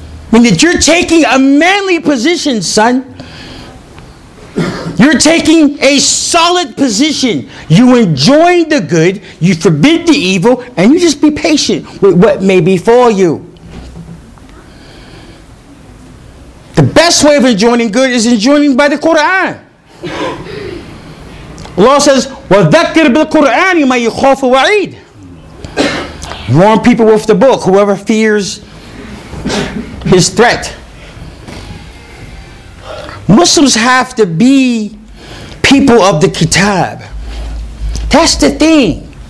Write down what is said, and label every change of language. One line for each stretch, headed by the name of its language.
English: I mean, that you're taking a manly position, son. You're taking a solid position. You enjoin the good, you forbid the evil, and you just be patient with what may befall you. The best way of enjoining good is enjoining by the Qur'an.
Arabic: Allah says, وَذَكِّرْ بِالْقُرْآنِ مَا يُخَافُ وَعِيدٍ.
English: Warn people with the book, whoever fears his threat. Muslims have to be people of the Kitab. That's the thing.